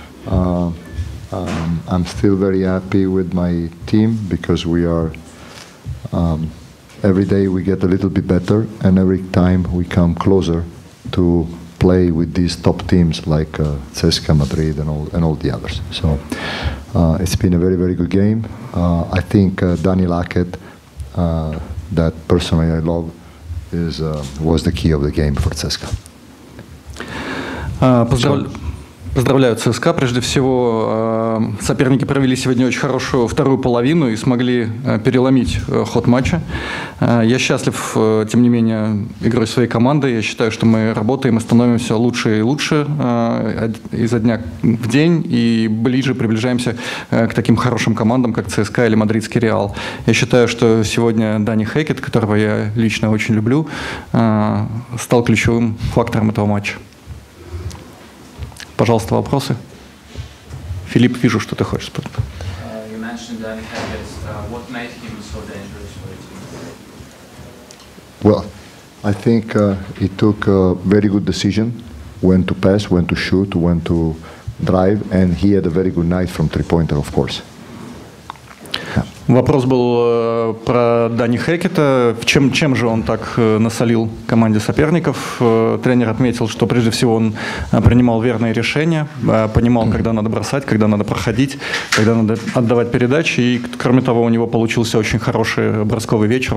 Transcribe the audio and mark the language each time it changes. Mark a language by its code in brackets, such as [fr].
[en] I'm still very happy with my team because we are every day we get a little bit better, and every time we come closer to play with these top teams like CSKA Madrid and all the others. So it's been a very, very good game. I think Dani Laket that personally I love is was the key of the game for CSKA. [ru] Поздравляю ЦСКА. Прежде всего, соперники провели сегодня очень хорошую вторую половину и смогли переломить ход матча. Я счастлив, тем не менее, игрой своей команды. Я считаю, что мы работаем и становимся лучше и лучше изо дня в день и ближе приближаемся к таким хорошим командам, как ЦСКА или Мадридский Реал. Я считаю, что сегодня Дани Хекет, которого я лично очень люблю, стал ключевым фактором этого матча. Пожалуйста, вопросы. Филипп, вижу, что ты хочешь спросить. [en] You mentioned Dani Hekić. What made him so dangerous for the team? Well, I think he took a very good decision when to pass, when to shoot, when to drive, and he had a very good night from three-pointer, of course. Yeah. [ru] Вопрос был про Дани Хекета. Чем же он так насолил команде соперников? Тренер отметил, что прежде всего он принимал верные решения, понимал, когда надо бросать, когда надо проходить, когда надо отдавать передачи. И, кроме того, у него получился очень хороший бросковый вечер.